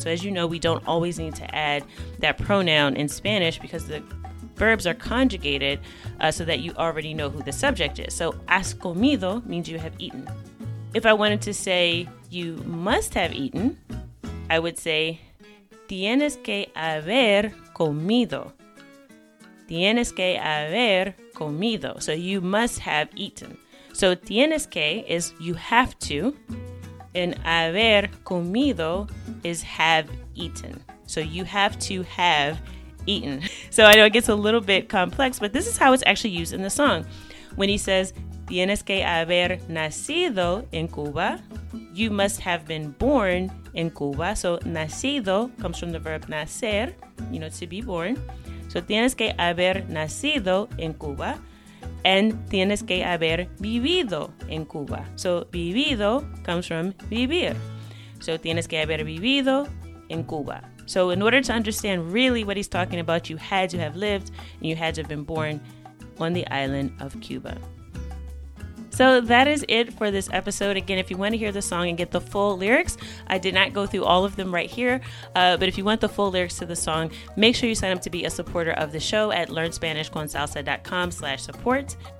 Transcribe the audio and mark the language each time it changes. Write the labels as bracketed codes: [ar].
[en] So as you know, we don't always need to add that pronoun in Spanish because the verbs are conjugated so that you already know who the subject is. So has comido means you have eaten. If I wanted to say you must have eaten, I would say [es] tienes que haber comido. Tienes que haber comido. [en] So you must have eaten. So [es] tienes que [en] is you have to, and [es] haber comido [en] is have eaten. So you have to have eaten. So I know it gets a little bit complex, but this is how it's actually used in the song. When he says, [es] tienes que haber nacido en Cuba, [en] you must have been born in Cuba. So nacido comes from the verb nacer, you know, to be born. [es] So tienes que haber nacido en Cuba, and tienes que haber vivido en Cuba. [en] So vivido comes from vivir. [es] So tienes que haber vivido en Cuba. [en] So in order to understand really what he's talking about, you had to have lived and you had to have been born on the island of Cuba. So that is it for this episode. Again, if you want to hear the song and get the full lyrics, I did not go through all of them right here. But if you want the full lyrics to the song, make sure you sign up to be a supporter of the show at learnspanishconsalsa.com/support.